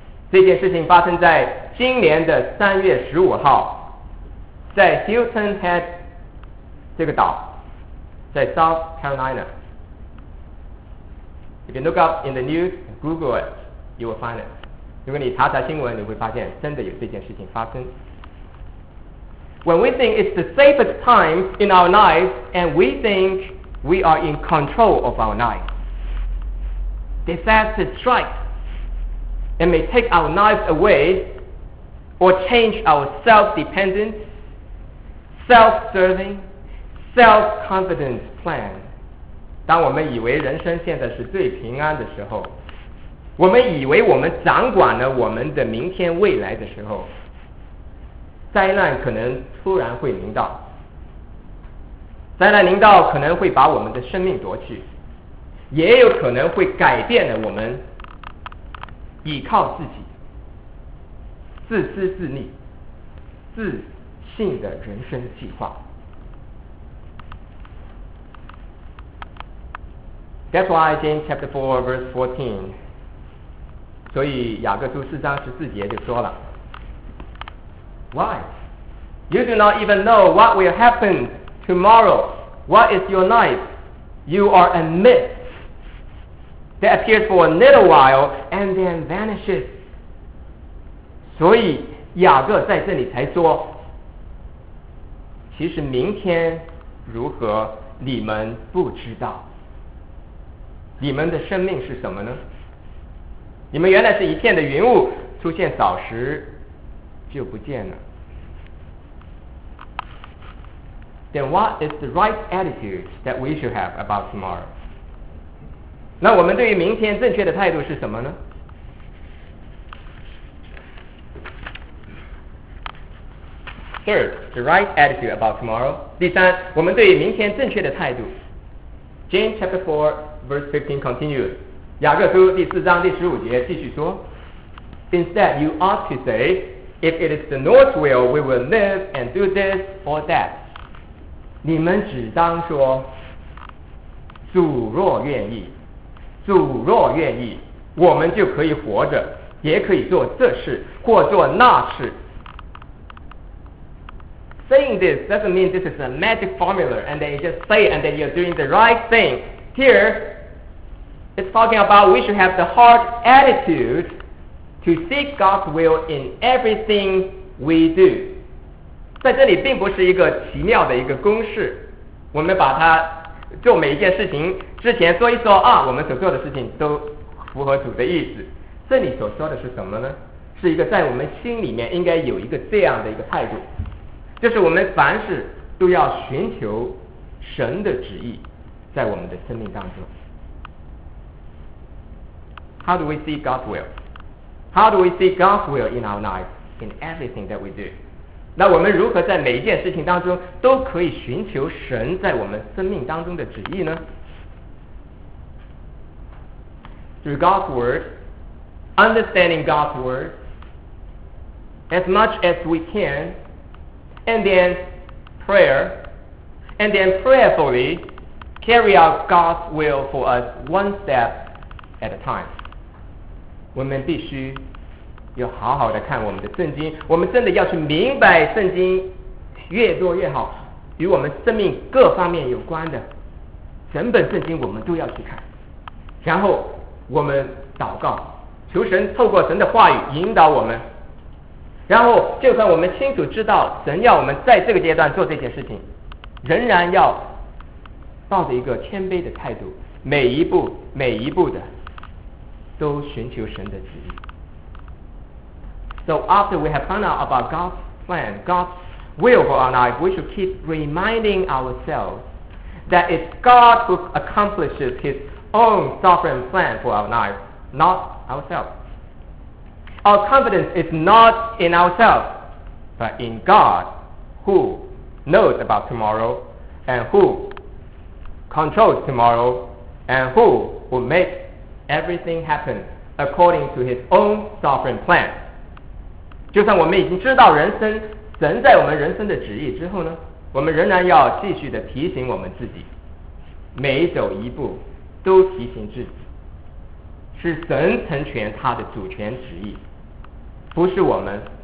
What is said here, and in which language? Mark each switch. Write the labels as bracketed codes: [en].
[zh] 这件事情发生在今年的3月15号，在 Hilton Head 这个岛，在 South Carolina。 [en] If you look up in the news, Google it, you will find it. [zh] 如果你查查新闻，你会发现真的有这件事情发生。 [en] When we think it's the safest time in our lives, and we think we are in control of our lives, disaster strikes and may take our lives away or change our self-dependent, self-serving, self-confidence plan. [zh] 当我们以为人生现在是最平安的时候，我们以为我们掌管了我们的明天未来的时候，灾难可能突然会临到。灾难临到可能会把我们的生命夺去，也有可能会改变了我们依靠自己、自私自利、自信的人生计划。 [en] That's why James chapter 4 verse 14. [zh] 所以雅各书四章十四节就说了。 [en] Why? You do not even know what will happen tomorrow. What is your life? You are a mist that appears for a little while and then vanishes. [zh] 所以雅各在这里才说，其实明天如何你们不知道。你们的生命是什么呢？你们原来是一片的云雾，出现扫时就不见了。 [en] Then what is the right attitude that we should have about tomorrow? [zh] 那我们对于明天正确的态度是什么呢？ [en] Third, the right attitude about tomorrow. [zh] 第三，我们对于明天正确的态度。 [en] James chapter 4Verse 15 continues. [zh] 雅各书第四章第十五节继续说。 [en] Instead, you ought to say, if it is the Lord's will, we will live and do this or that. [zh] 你们只当说，主若愿意，主若愿意，我们就可以活着，也可以做这事或做那事。 [en] Saying this doesn't mean this is a magic formula, and then you just say, and then you're doing the right thing. Here. It's talking about we should have the heart attitude to seek God's will in everything we do. [zh] 在这里并不是一个奇妙的一个公式，我们把它做每一件事情之前说一说啊，我们所做的事情都符合主的意思。这里所说的是什么呢？是一个在我们心里面应该有一个这样的一个态度，就是我们凡事都要寻求神的旨意在我们的生命当中。 [en] How do we see God's will? How do we see God's will in our lives, in everything that we do? [zh] 那我们如何在每一件事情当中都可以寻求神在我们生命当中的旨意呢？ [en] Through God's word, understanding God's word as much as we can, and then prayer, and then prayerfully carry out God's will for us one step at a time. [zh] 我们必须要好好的看我们的圣经，我们真的要去明白圣经越多越好，与我们生命各方面有关的，整本圣经我们都要去看，然后我们祷告，求神透过神的话语引导我们，然后就算我们清楚知道神要我们在这个阶段做这些事情，仍然要抱着一个谦卑的态度，每一步每一步的都寻求神的旨意。 [en] So after we have found out about God's plan, God's will for our life, we should keep reminding ourselves that it's God who accomplishes His own sovereign plan for our life, not ourselves. Our confidence is not in ourselves, but in God, who knows about tomorrow and who controls tomorrow and who will make everything happen according to His own sovereign plan. [zh] 就算我们已经知道人生神在我们人生的旨意之后呢，我们仍然要继续的提醒我们自己，每走一步都提醒自己，是神成全他的主权旨意，不是我们。